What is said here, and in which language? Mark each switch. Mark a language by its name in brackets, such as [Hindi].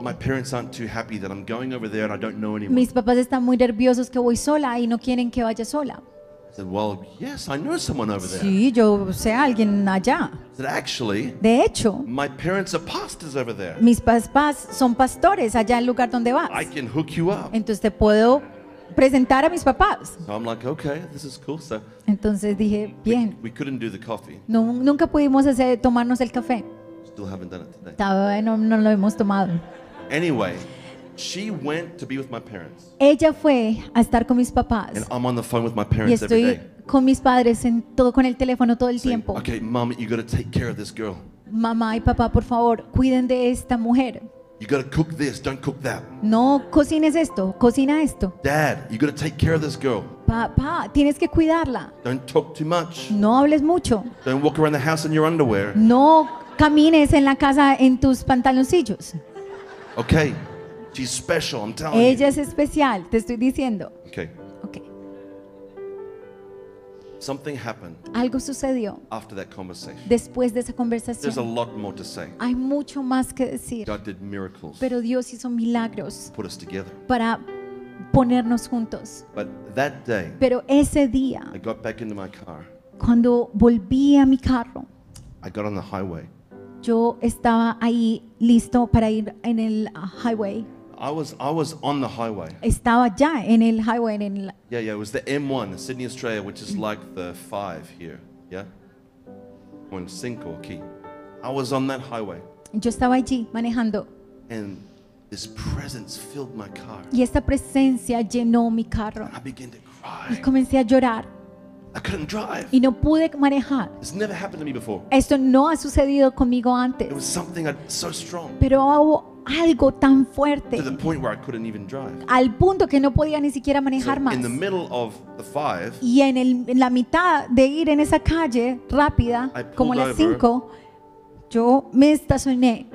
[English] My parents aren't too happy that I'm going over there and I don't know anyone. [Spanish] Mis papás están muy nerviosos que voy sola y no quieren que vaya sola. [English] Said, well, yes, I know someone over there. [Spanish] Sí, yo sé a alguien allá. [English] Said, actually, [Spanish] de hecho, [English] my parents are pastors over there. [Spanish] Mis papás son pastores allá en el lugar donde vas. [English] I can hook you up. [Spanish] Entonces te puedo presentar a mis papás. [English] So I'm like, okay, this is cool. So [Spanish] entonces dije, bien. [English] We couldn't do the coffee. [Spanish] No, nunca pudimos hacer tomarnos el café. [English] Still haven't done it today. [Spanish] Todavía no lo hemos tomado. [English] Anyway. She went to be with my parents. [Spanish] Ella fue a estar con mis papás. [English] And I'm on the phone with my parents every day. [Spanish] Y estoy con mis padres en todo con el teléfono todo el tiempo. [English] Okay, mommy, you got to take care of this girl. [Spanish] Mamá y papá, por favor, cuiden de esta mujer. [English] You got to cook this, don't cook that. [Spanish] No cocines esto, cocina esto. [English] Dad, you got to take care of this girl. [Spanish] Papá, tienes que cuidarla. [English] Don't talk too much. [Spanish] No hables mucho. [English] Don't walk around the house in your underwear. [Spanish] No camines en la casa en tus pantaloncillos. [English] Okay. She's special, I'm telling [Spanish] ella Es especial, te estoy diciendo. [English] Okay. Something happened. [Spanish] Algo sucedió. [English] After that conversation. [Spanish] Después de esa conversación. [English] There's a lot more to say. [Spanish] Hay mucho más que decir. [English] God did miracles. [Spanish] Pero Dios hizo milagros. [English] Put us together. [Spanish] Para ponernos juntos. [English] But that day. [Spanish] Pero ese día. [English] I got back into my car. [Spanish] Cuando volví a mi carro. [English] I got on the highway. [Spanish] Yo estaba ahí listo para ir en el highway. [English] I was on the highway. [Spanish] Estaba ya en el highway en el. [English] Yeah, it was the M1, Sydney, Australia, which is like the 5 here. Yeah. One [Spanish] cinco aquí. [English] I was on that highway. [Spanish] Yo estaba allí manejando. [English] And this presence filled my car. [Spanish] Y esta presencia llenó mi carro. [English] And I began to cry. [Spanish] Y comencé a llorar. [English] I couldn't drive. [Spanish] Y no pude manejar. [English] It's never happened to me before. [Spanish] Esto no ha sucedido conmigo antes. [English] It was something so strong. [Spanish] Pero hubo algo tan fuerte. [English] To the point where I couldn't even drive. [Spanish] Al punto que no podía ni siquiera manejar [English] so [Spanish] más. [English] In the middle of the 5. [Spanish] Y en la mitad de ir en esa calle rápida, como las 5, yo me estacioné.